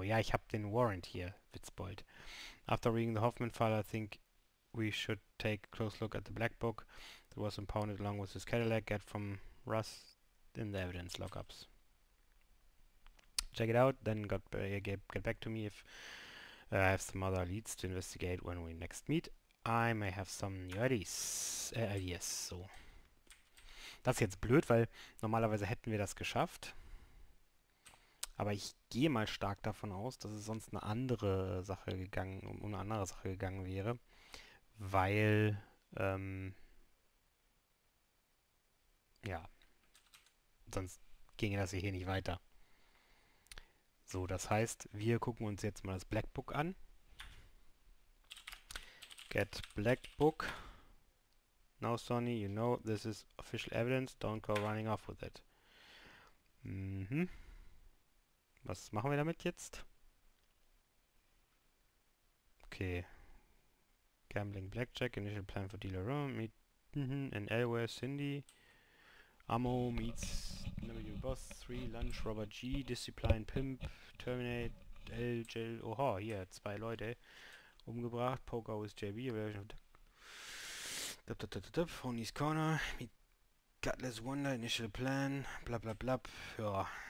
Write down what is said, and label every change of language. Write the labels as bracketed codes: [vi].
[en] Yeah, [de] ich hab den Warrant hier, Witzbold. [en] After reading the Hoffman file, I think we should take a close look at the black book that was impounded along with his Cadillac get from Russ in the evidence lockups. Check it out, then get back to me if I have some other leads to investigate when we next meet. I may have some new ideas, so. [de] Das ist jetzt blöd, weil normalerweise hätten wir das geschafft. Aber ich gehe mal stark davon aus, dass es sonst eine andere Sache gegangen wäre. Weil, ja, sonst ginge das hier nicht weiter. So, das heißt, wir gucken uns jetzt mal das Black Book an. [en] Get Black Book. Now, Sonny, you know this is official evidence. Don't go running off with it. [de] Was machen wir damit jetzt? [en] Okay. Gambling Blackjack, initial plan for dealer room, meet in Elway, Cindy, Ammo meets W Boss, 3 Lunch, Robert G, Discipline Pimp, Terminate, L, Jill, [de] oha, hier, zwei Leute umgebracht, [en] Poker with JB, Evaluation of Phony's Corner, meet Gutless Wonder, initial plan, bla bla bla, ja.